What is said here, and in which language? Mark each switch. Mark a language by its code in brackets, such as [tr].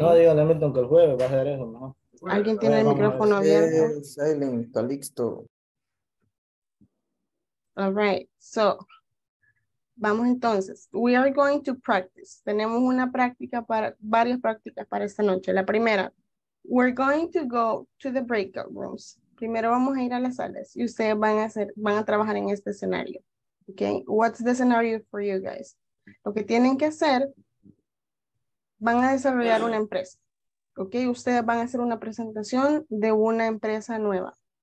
[es] No, digo, le meto que el jueves va a hacer eso, ¿no? ¿Alguien tiene el micrófono abierto? Silent, está listo. [en] All right. So, [es] vamos entonces. [en] We are going to practice. [es] Tenemos una práctica para, varias prácticas para esta noche. La primera, [en] we're going to go to the breakout rooms. [es] Primero vamos a ir a las salas y ustedes van a trabajar en este escenario. [en] Okay, what's the scenario for you guys? [es] Lo que tienen que hacer, van a desarrollar una empresa. Okay, ustedes van a hacer una presentación de una empresa nueva.